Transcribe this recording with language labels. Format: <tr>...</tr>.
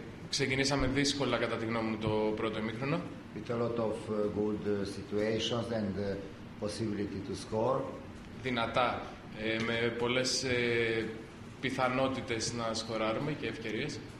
<el>Ξεκινήσαμε δύσκολα κατά τη γνώμη μου το πρώτο ημίχρονο.</el> <en>With a lot of good situations and possibility to score.</en> <el>Δυνατά, με πολλές πιθανότητες να σκοράρουμε και ευκαιρίες.</el>